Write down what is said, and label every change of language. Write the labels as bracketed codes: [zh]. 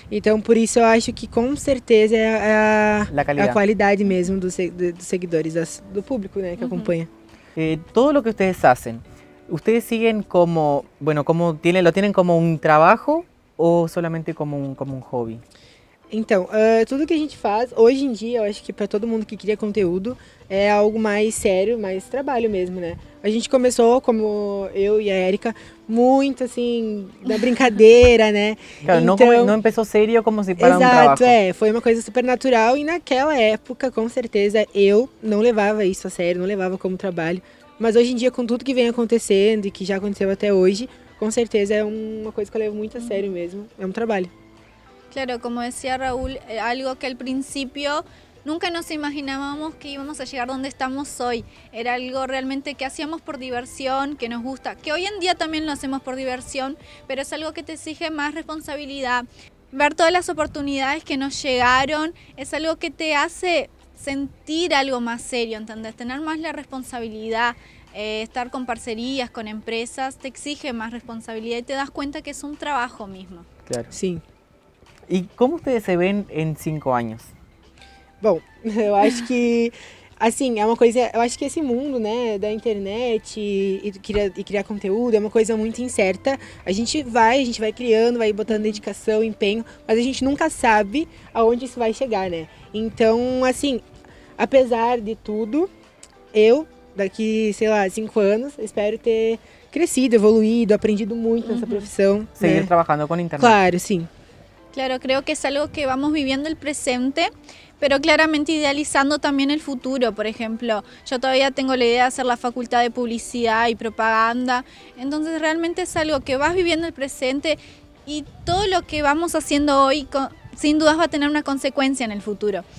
[es] Entonces, por eso, yo acho que con certeza es la calidad mesmo dos seguidores, do público, ¿no? Que acompaña. Todo lo que ustedes hacen, ¿ustedes siguen como, bueno, como lo tienen como un trabajo o solamente como un hobby? [pt] Então, tudo que a gente faz, hoje em dia, eu acho que para todo mundo que cria conteúdo, é algo mais sério, mais trabalho mesmo, né? A gente começou, como eu e a Erika, muito assim, na brincadeira, né? Claro, então, não começou sério como se para exato, um trabalho. Exato, foi uma coisa super natural e naquela época, com certeza, eu não levava isso a sério, não levava como trabalho. Mas hoje em dia, com tudo que vem acontecendo e que já aconteceu até hoje, com certeza é uma coisa que eu levo muito a sério mesmo, é um trabalho. [es] Claro, como decía Raúl, algo que al principio nunca nos imaginábamos que íbamos a llegar donde estamos hoy. Era algo realmente que hacíamos por diversión, que nos gusta, que hoy en día también lo hacemos por diversión, pero es algo que te exige más responsabilidad. ver todas las oportunidades que nos llegaron es algo que te hace sentir algo más serio, ¿entendés? Tener más la responsabilidad, estar con parcerías, con empresas, te exige más responsabilidad y te das cuenta que es un trabajo mismo. Claro. Sí. ¿Y cómo ustedes se ven en 5 años? [pt] Bom, eu acho que, assim, é uma coisa, eu acho que esse mundo, né, da internet e criar conteúdo é uma coisa muito incerta. A gente vai criando, vai botando dedicação, empenho, mas a gente nunca sabe aonde isso vai chegar, né? Então, assim, apesar de tudo, eu, daqui, sei lá, 5 anos, espero ter crescido, evoluído, aprendido muito nessa profissão. Seguir, né, trabalhando com a internet. Claro, sim. [es] Claro, creo que es algo que vamos viviendo el presente, pero claramente idealizando también el futuro. Por ejemplo, yo todavía tengo la idea de hacer la facultad de publicidad y propaganda. Entonces realmente es algo que vas viviendo el presente y todo lo que vamos haciendo hoy sin dudas va a tener una consecuencia en el futuro.